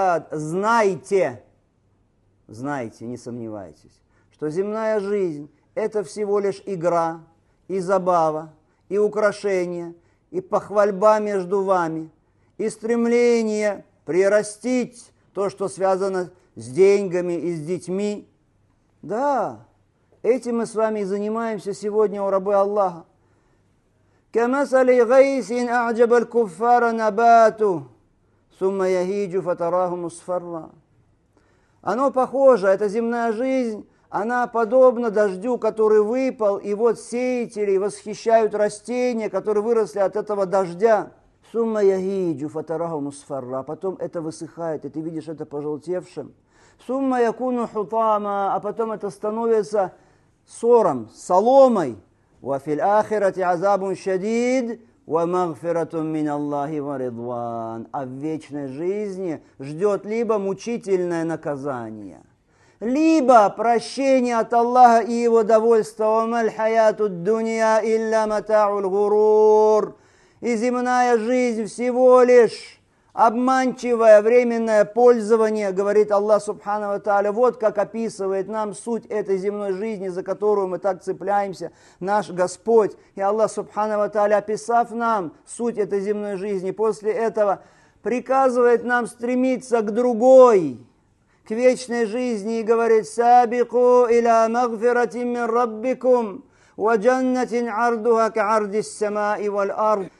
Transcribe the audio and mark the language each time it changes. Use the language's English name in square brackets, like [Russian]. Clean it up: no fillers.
[Russian] Знайте, знайте, не сомневайтесь, что земная жизнь – это всего лишь игра и забава, и украшение, и похвальба между вами, и стремление прирастить то, что связано с деньгами и с детьми. Да, этим мы с вами и занимаемся сегодня у рабы Аллаха. [Arabic] كمثل غيث أعجب الكفار نباته ثم يهيج فتراه مصفرا. [Russian] Оно похоже, эта земная жизнь, она подобна дождю, который выпал, и вот сеятели восхищают растения, которые выросли от этого дождя. [Arabic] ثم يهيج فتراه مصفرا. [Russian] Потом это высыхает, и ты видишь это пожелтевшим. [Arabic] ثم يكون حطاما. [Russian] А потом это становится сором, соломой. [Arabic] وفي الآخرة عذاب شديد ومغفرة من الله ورضوان. [Russian] А в вечной жизни ждет либо мучительное наказание, либо прощение от Аллаха и его довольства. [Arabic] وما الحياة الدنيا إلا متاع الغرور. [Russian] И земная жизнь всего лишь обманчивое временное пользование, говорит Аллах Субхана ва Тааля. Вот как описывает нам суть этой земной жизни, за которую мы так цепляемся, наш Господь. И Аллах Субхана ва Тааля, описав нам суть этой земной жизни, после этого приказывает нам стремиться к другой, к вечной жизни, и говорит: «Сабику иля магфирати мин раббикум, ва джаннатин ардуха ка ардис самаи валь ард».